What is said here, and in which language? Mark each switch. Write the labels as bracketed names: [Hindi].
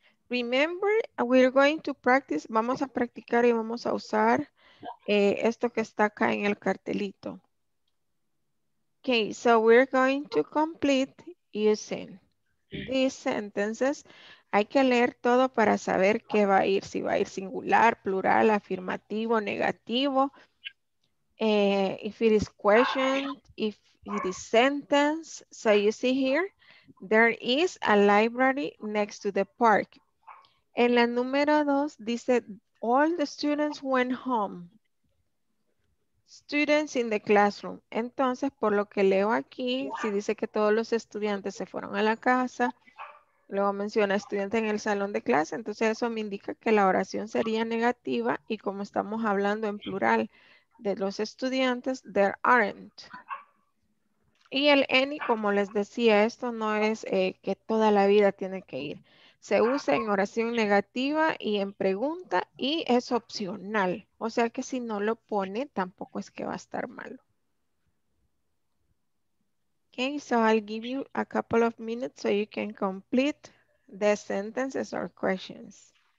[English] Remember, we're going to practice, [Spanish] vamos a practicar y vamos a usar esto que está acá en el cartelito. [English] Okay, so we're going to complete using these sentences. [Spanish] Hay que leer todo para saber qué va a ir, si va a ir singular, plural, afirmativo, negativo. [English] If it is questioned, if it is sentence. So you see here, there is a library next to the park. [Spanish] En la número dos dice, [English] all the students went home. Students in the classroom. [Spanish] Entonces, por lo que leo aquí, si dice que todos los estudiantes se fueron a la casa, luego menciona estudiante en el salón de clase, entonces eso me indica que la oración sería negativa y como estamos hablando en plural de los estudiantes, [English] there aren't. [Spanish] Y el any, como les decía, esto no es que toda la vida tiene que ir. Se usa en oración negativa y en pregunta y es opcional. O sea que si no lo pone, tampoco es que va a estar malo. [English] Okay, so I'll give you a couple of minutes so you can complete the sentences or questions.